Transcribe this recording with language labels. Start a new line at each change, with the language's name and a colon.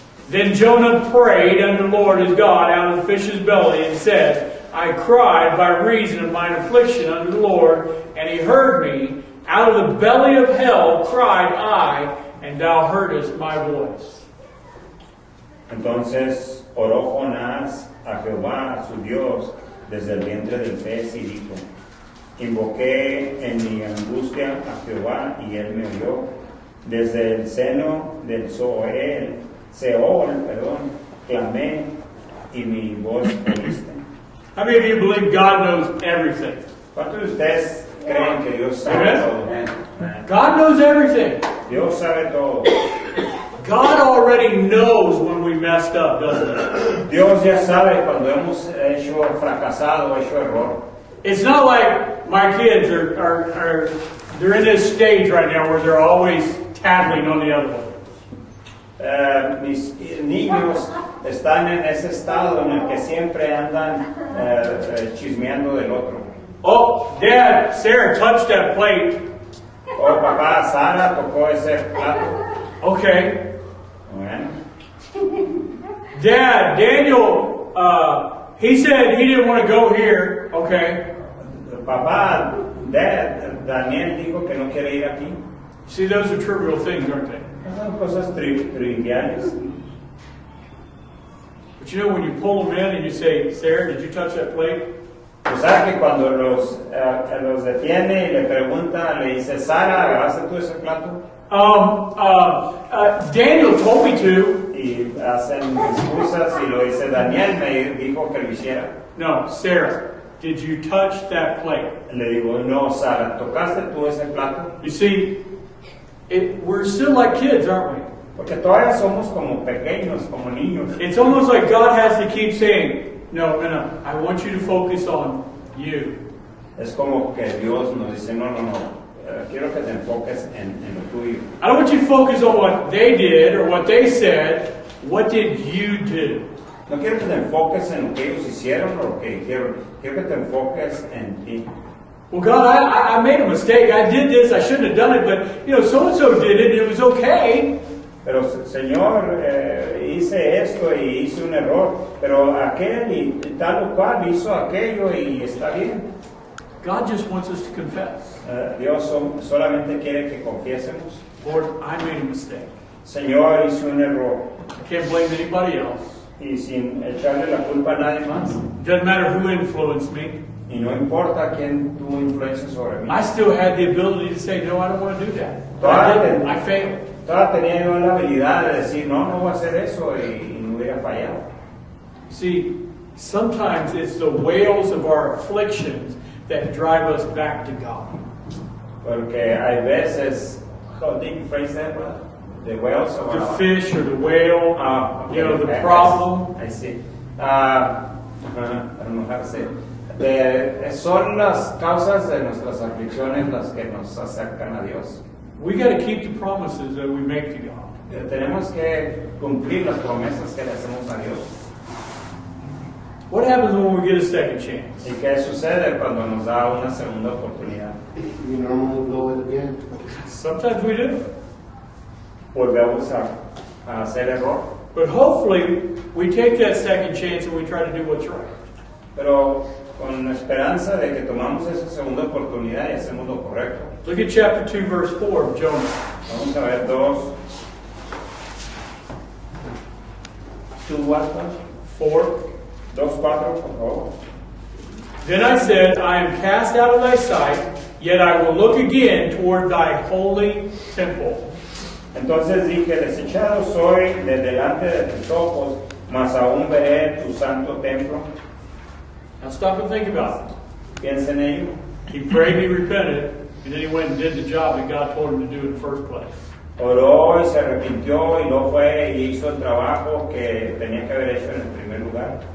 English: Then Jonah prayed unto the Lord his God out of the fish's belly and said, I cried by reason of mine affliction unto the Lord, and he heard me. Out of the belly of hell cried I, and thou heardest my voice.
Spanish: Entonces oró Jonás a Jehová, a su Dios, desde el vientre del pez y dijo, invoqué en mi angustia a Jehová y él me oyó. Desde el seno del Seol, clamé y mi voz oíste.
English: How many of you believe God knows everything?
Spanish: ¿Cuántos de ustedes creen que Dios sabe todo?
English: God knows everything.
Spanish: Dios sabe todo.
English: God already knows when we messed up, doesn't he?
Spanish: Dios ya sabe cuando hemos hecho fracasado, hecho error.
English: It's not like my kids are in this stage right now where they're always tattling on the other one.
Spanish: Mis niños están en ese estado en el que siempre andan chismeando del otro.
English: Oh, Dad, Sarah touched that plate.
Spanish: Oh, papá, Sara tocó ese plato.
English: Okay. Dad, Daniel, he said he didn't want to go here. Okay.
Spanish: Papá, Dad, Daniel dijo que no quiere ir aquí.
English: See, those are trivial things, aren't they?
Spanish: Cosas triviales.
English: But you know, when you pull them in and you say, Sarah, did you touch that plate?
Spanish: Pues aquí cuando los detiene y le pregunta, le dice, Sara, ¿agarraste tú ese plato?
English: Daniel told me to.
Spanish: Y hacen excusas y lo dice, Daniel me dijo que lo hiciera.
English: No, Sarah, did you touch that plate?
Spanish: Le digo, no, Sara, ¿tocaste tú ese plato?
English: You see, we're still like kids, aren't we?
Spanish: Porque todavía somos como pequeños, como niños.
English: It's almost like God has to keep saying, no, no, no, I want you to focus on you.
Spanish: Es como que Dios nos dice, no, no, no. Quiero que te enfoques en lo tuyo.
English: I don't want you to focus on what they did or what they said. What did you do?
Spanish: No quiero que te enfoques en lo que ellos hicieron o lo que dijeron. Quiero que te enfoques en ti.
English: Well, God, I made a mistake. I did this. I shouldn't have done it. But, you know, so-and-so did it. And it was okay.
Spanish: Pero, Señor, hice esto y hice un error. Pero aquel y tal o cual hizo aquello y está bien.
English: God just wants us to confess.
Spanish: Dios solamente quiere que confiésemos.
English: Lord, I made a mistake.
Spanish: Señor, hice un error.
English: I can't blame anybody else.
Spanish: Y sin echarle la culpa a nadie más.
English: Doesn't matter who influenced me.
Spanish: Y no importa quién tuvo influencia sobre mí.
English: I still had the ability to say, no, I don't want to do that. I failed.
Spanish: Todavía tenía yo la habilidad de decir, no, no voy a hacer eso y no hubiera fallado.
English: See, sometimes it's the wails of our afflictions that drive us back to God.
Spanish: Porque hay veces,
English: how did you phrase that, brother? The wails of the fish or the whale, okay, you know, the problem. I see. I don't know how to say it.
Spanish: son las causas de nuestras aflicciones las que nos acercan a Dios.
English: We got to keep the promises that we make to God.
Spanish: Tenemos que cumplir las promesas que le hacemos a Dios.
English: What happens when we get a second chance?
Spanish: ¿Y qué sucede cuando nos da una segunda oportunidad?
English: We normally go with it again. Sometimes we do.
Spanish: Volvemos a hacer error.
English: But hopefully, we take that second chance and we try to do what's right.
Spanish: Pero con la esperanza de que tomamos esa segunda oportunidad y hacemos lo correcto.
English: Look at chapter 2, verse 4 of Jonah.
Spanish: Vamos a ver 2.
English: 2 what? 4.
Spanish: 2:4, por favor.
English: Then I said, I am cast out of thy sight, yet I will look again toward thy holy temple.
Spanish: Entonces dije, desechado soy de delante de tus ojos, mas aún veré tu santo templo.
English: Now stop and think about it.
Spanish: Piensa en ello.
English: He prayed, he repented, and then he went and did the job that God told him to do in the first place.
Spanish: Oró y se arrepintió y no fue y hizo el trabajo que tenía que haber hecho en el primer lugar.